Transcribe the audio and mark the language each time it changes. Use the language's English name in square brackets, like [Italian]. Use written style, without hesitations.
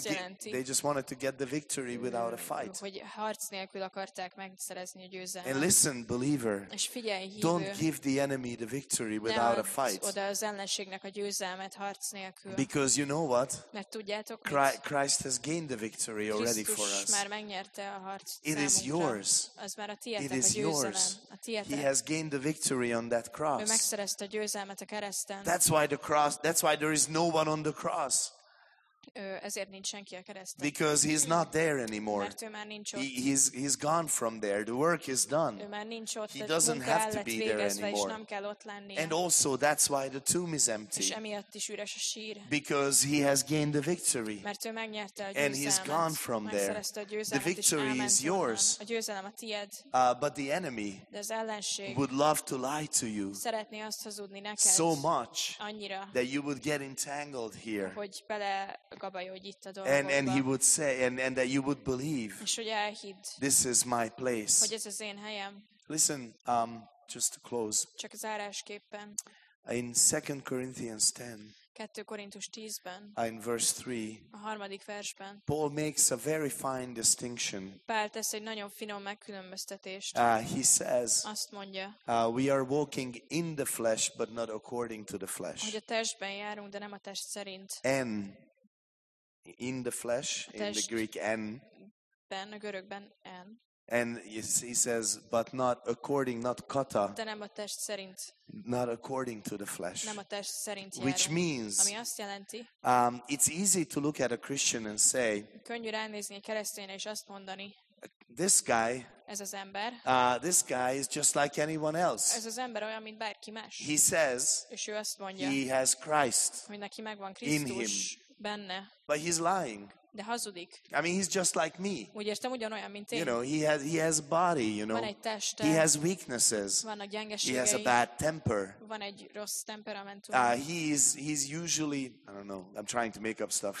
[English] get, they just wanted to get the victory without a fight. [Hungarian] Hogy harc nélkül akarták megszerezni a győzelmet. [English] And listen, believer, [Hungarian] és figyelj, hívő, [English] don't give the enemy the victory without a fight. [Hungarian] Ne adj oda az ellenségnek a győzelmet harc nélkül. [English] Because you know what? [Hungarian] Mert tudjátok, [English] Christ has gained the victory already for us. [Hungarian] Krisztus már megnyerte a harc. [English] It is yours. [Hungarian] Az már a tiétek [English] it is a yours. [Hungarian] A tiétek. [English] He has gained the victory on that cross. [Hungarian] Ő megszerezte a győzelmet a kereszten. [English] That's why there is no one on the cross. [Hungarian] Ezért nincs senki a kereszten. [English] Because he's not there anymore. [Hungarian] Mert ő már nincs ott. [English] He's gone from there. The work is done. [Hungarian] Ő már nincs ott. [English] He doesn't have to be there anymore. [Hungarian] Nem kell ott lennie. [English] And also that's why the tomb is empty. [Hungarian] És emiatt is üres a sír. [English] Because he has gained the victory. [Hungarian] Mert ő megnyerte a győzelmet. [English] And he's gone from there. The victory is yours. [Hungarian] A győzelem a tied. [English] But the enemy [Hungarian] de az ellenség [English] would love to lie to you. [Hungarian] Szeretné azt hazudni neked. [English] So much [Hungarian] annyira, [English] that you would get entangled here. [Hungarian] Hogy bele [English] And he would say, and that you would believe, this is my place. [Hungarian] Hogy ez az én helyem. [English] Listen, just to close. [Hungarian] Csak zárásképpen. [English] In 2 Corinthians 10, [Hungarian] 2 Korintus 10-ben, [English] in verse 3, [Hungarian] a harmadik versben, [English] Paul makes a very fine distinction. [Hungarian] Pál tesz egy nagyon finom megkülönböztetést. [English] He says, [Hungarian] azt mondja, [English] we are walking in the flesh, but not according to the flesh. [Hungarian] Hogy a testben járunk, de nem a test szerint. [English] And in the flesh, in the Greek en. [Hungarian] Ben, a görögben en. [English] And he says, but not according, not kata. [Hungarian] De nem a test szerint. [English] Not according to the flesh. [Hungarian] Nem a test szerint járunk. [English] Which means, [Hungarian] ami azt jelenti, [English] it's easy to look at a Christian and say, [Hungarian] könnyű ránézni a keresztényre és azt mondani, [English] this guy, [Hungarian] ez az ember, [English] this guy is just like anyone else. [Hungarian] Ez az ember olyan, mint bárki más. [English] He says, [Hungarian] és ő azt mondja, [English] he has Christ [Hungarian] hogy neki megvan Krisztus [English] in him. [Hungarian] Benne. [English] But he's lying. [Hungarian] De hazudik. [English] I mean, he's just like me. [Hungarian] Úgy értem, ugyanolyan, mint én. [English] You know, he has body, you know. [Hungarian] Van egy teste. [English] He has weaknesses. [Hungarian] Vannak gyengeségei. [English] He has a bad temper. [Hungarian] Van egy rossz temperamentum. [English] He's usually, I don't know, I'm trying to make up stuff